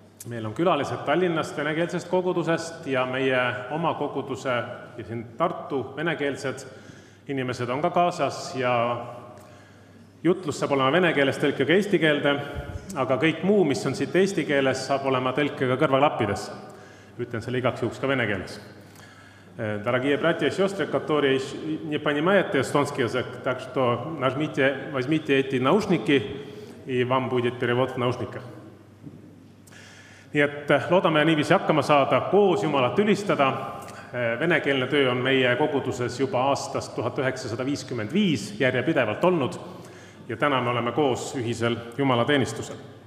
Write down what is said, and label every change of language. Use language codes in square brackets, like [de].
[et] Meil on külalised Tallinnast venekeelsest kogudusest ja meie oma koguduse ja siin Tartu venekeelsed inimesed on ka kaasas ja jutlus saab olema venekeeles tõlkega eesti keelde, aga kõik muu, mis on siit eesti keeles, saab olema tõlkega kõrvaklapides. Ütlen selle igaks juhuks ka venekeeles. [ru] Дорогие братья и сестры, которые не понимают эстонский язык, так что нажмите, возьмите эти наушники, и вам будет перевод в наушниках. [et] Nii et loodame niiviisi hakkama saada koos Jumalat ülistada. Venekeelne töö on meie koguduses juba aastast 1955 järjepidevalt olnud ja täna me oleme koos ühisel Jumala teenistusel.